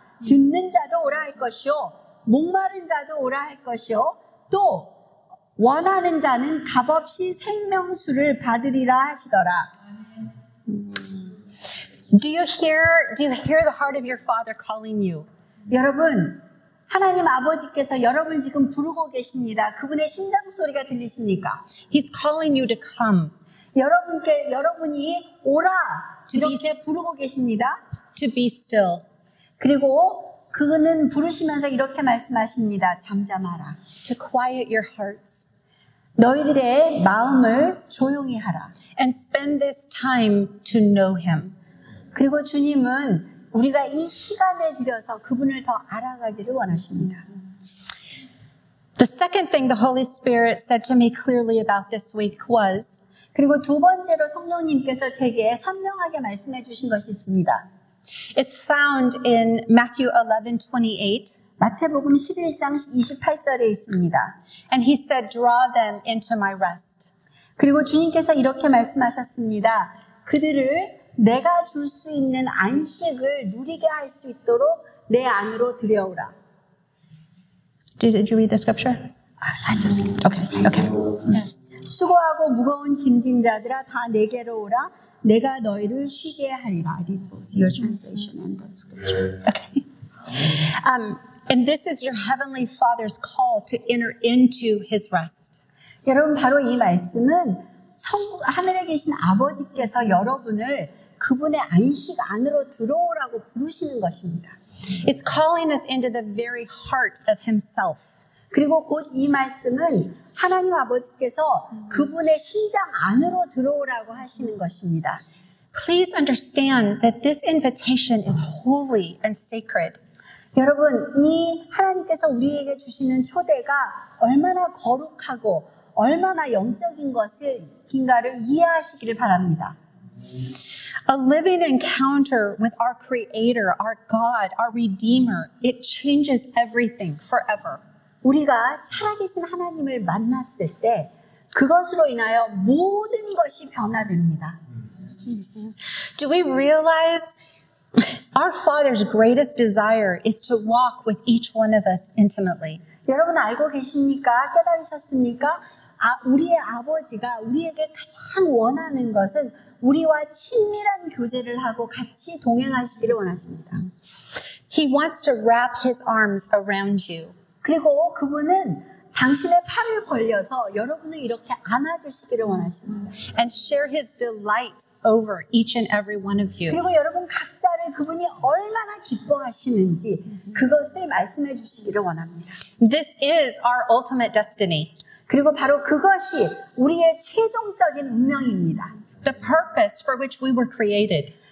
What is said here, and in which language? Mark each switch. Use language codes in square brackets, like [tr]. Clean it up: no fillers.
[ko] 듣는 자도 오라 할 것이요 목마른 자도 오라 할 것이요 또 원하는 자는 값없이 생명수를 받으리라 하시더라. [en] Do you hear the heart of your father calling you? [ko] 여러분, 하나님 아버지께서 여러분을 지금 부르고 계십니다. 그분의 심장 소리가 들리십니까? [en] He's calling you to come. [ko] 여러분이 오라 이렇게 부르고 계십니다. [en] To be still. [ko] 그리고 그는 부르시면서 이렇게 말씀하십니다. 잠잠하라. [en] To quiet your hearts. [ko] 너희들의 마음을 조용히 하라. [en] And spend this time to know him. [ko] 그리고 주님은 우리가 이 시간을 들여서 그분을 더 알아가기를 원하십니다. [en] The second thing the Holy Spirit said to me clearly about this week was [ko] 그리고 두 번째로 성령님께서 제게 선명하게 말씀해 주신 것이 있습니다. [en] It's found in Matthew 11:28. [ko] 마태복음 11장 28절에 있습니다. [en] And he said, "Draw them into my rest." [ko] 그리고 주님께서 이렇게 말씀하셨습니다. 그들을 내가 줄 수 있는 안식을 누리게 할 수 있도록 내 안으로 들여오라. [en] Did you read the scripture? Yes. [ko] 수고하고 무거운 짐진 자들아 다 내게로 오라 내가 너희를 쉬게 하리라. [en] Your translation and the scripture. Okay. And this is your heavenly Father's call to enter into His rest. [ko] 여러분 바로 이 말씀은 하늘에 계신 아버지께서 여러분을 그분의 안식 안으로 들어오라고 부르시는 것입니다. [en] It's calling us into the very heart of Himself. [ko] 그리고 곧 이 말씀은 하나님 아버지께서 그분의 심장 안으로 들어오라고 하시는 것입니다. [en] Please understand that this invitation is holy and sacred. [ko] 여러분, 이 하나님께서 우리에게 주시는 초대가 얼마나 거룩하고 얼마나 영적인 것인가를 이해하시기를 바랍니다. [en] A living encounter with our Creator, our God, our Redeemer, it changes everything forever. [ko] 우리가 살아계신 하나님을 만났을 때 그것으로 인하여 모든 것이 변화됩니다. [en] Do we realize our Father's greatest desire is to walk with each one of us intimately? [ko] 여러분 알고 계십니까? 깨달으셨습니까? 우리의 아버지가 우리에게 가장 원하는 것은 우리와 친밀한 교제를 하고 같이 동행하시기를 원하십니다. [en] He wants to wrap his arms around you. [ko] 그리고 그분은 당신의 팔을 벌려서 여러분을 이렇게 안아주시기를 원하십니다. [en] And share his delight over each and every one of you. [ko] 그리고 여러분 각자를 그분이 얼마나 기뻐하시는지 그것을 말씀해 주시기를 원합니다. [en] This is our ultimate destiny. [ko] 그리고 바로 그것이 우리의 최종적인 운명입니다. [en] The purpose for which we were created.